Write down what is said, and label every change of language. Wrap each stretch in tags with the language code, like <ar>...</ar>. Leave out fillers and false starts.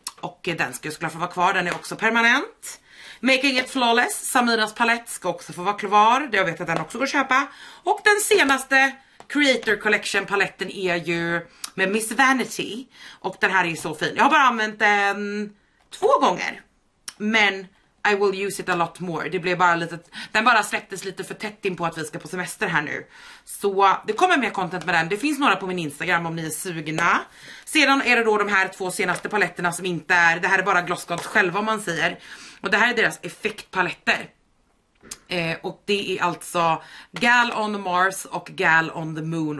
<sv>Och den ska ju såklart få vara kvar, den är också permanent. Making it flawless, Samiras palett ska också få vara kvar. Det jag vet att den också går att köpa. Och den senaste Creator Collection paletten är ju med Miss Vanity. Och den här är ju så fin. Jag har bara använt den 2 gånger. Men</sv> <en>I will use it a lot more.</en> <sv>Det blev bara lite, den bara släpptes lite för tätt in på att vi ska på semester här nu. Så det kommer mer content med den. Det finns några på min Instagram om ni är sugna. Sedan är det då de här 2 senaste paletterna som inte är, det här är bara glossgott själva om man säger. Och det här är deras effektpaletter. Och det är alltså Gal on the Mars och Gal on the Moon.</sv>